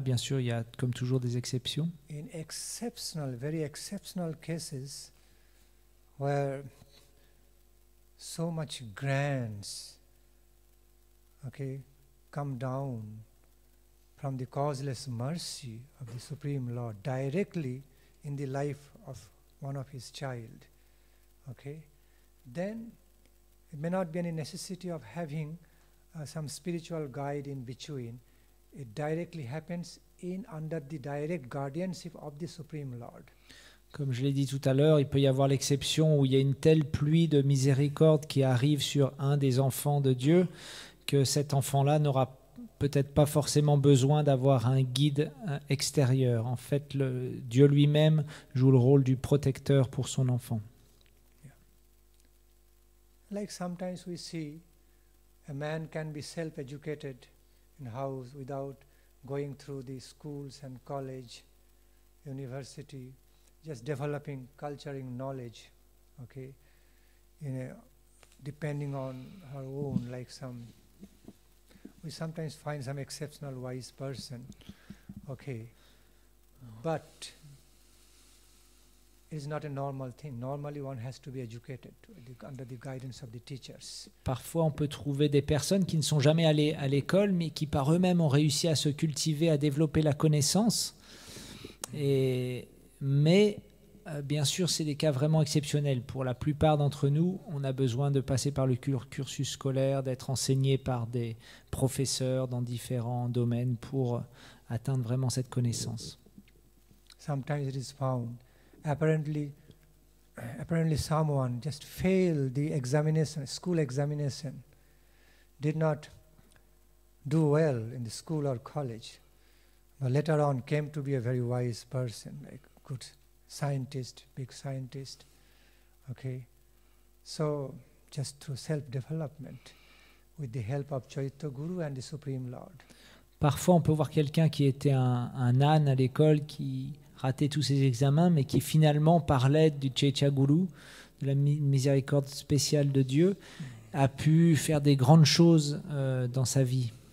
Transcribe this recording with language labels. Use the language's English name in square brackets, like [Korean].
[French] Bien sûr, il y a comme toujours des exceptions. [English] In exceptional, very exceptional cases where so much grants, okay, come down from the causeless mercy of the Supreme Lord directly in the life of one of his child, okay, then it may not be any necessity of having some spiritual guide in between. It directly happens in under the direct guardianship of the Supreme Lord. [French] Comme je l'ai dit tout à l'heure, il peut y avoir l'exception où il y a une telle pluie de miséricorde qui arrive sur un des enfants de Dieu que cet enfant-là n'aura peut-être pas forcément besoin d'avoir un guide extérieur. En fait, Dieu lui-même joue le rôle du protecteur pour son enfant. [English] Like sometimes we see a man can be self-educated in house without going through the schools and college, university, just developing culturing knowledge, okay, in a, depending on her own, like some, we sometimes find some exceptional wise person, okay, but is not a normal thing. Normally one has to be educated under the guidance of the teachers. [French] Parfois on peut trouver des personnes qui ne sont jamais allées à l'école mais qui par eux-mêmes ont réussi à se cultiver, à développer la connaissance. Bien sûr, c'est des cas vraiment exceptionnels. Pour la plupart d'entre nous, on a besoin de passer par le cursus scolaire, d'être enseigné par des professeurs dans différents domaines pour atteindre vraiment cette connaissance. [English] Sometimes it is found apparently someone just failed the examination, school examination, did not do well in the school or college, but later on came to be a very wise person, like good scientist, big scientist, okay, so just through self-development with the help of Chaitanya Guru and the Supreme Lord. [French] Parfois on peut voir quelqu'un qui était un âne à l'école, qui ratait tous ses examens, mais qui finalement, par l'aide du Chaitanya Guru, de la miséricorde spéciale de Dieu, a pu faire des grandes choses dans sa vie.